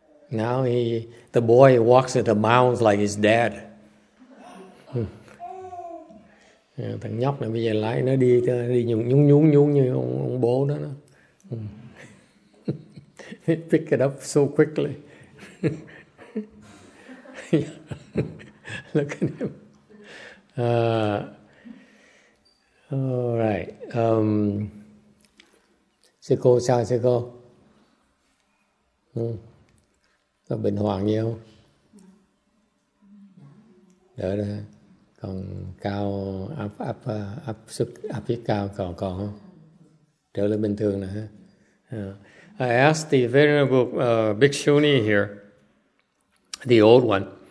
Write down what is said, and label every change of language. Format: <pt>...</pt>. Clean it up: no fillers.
<en>Now the boy walks at the mounds like his dad.</en> <vi>Thằng nhóc này bây giờ lái nó đi nhún như ông bố đó.</vi> <en>It pick it up so quickly. Look at him. All right.</en> <vi>Sư cô sao sư cô? Có bệnh hoạn gì không? Đỡ rồi. Còn cao áp sức áp huyết cao còn không? Trở lại bình thường nữa.</vi> <en>I asked the Venerable Bhikshuni here, the old one.</en>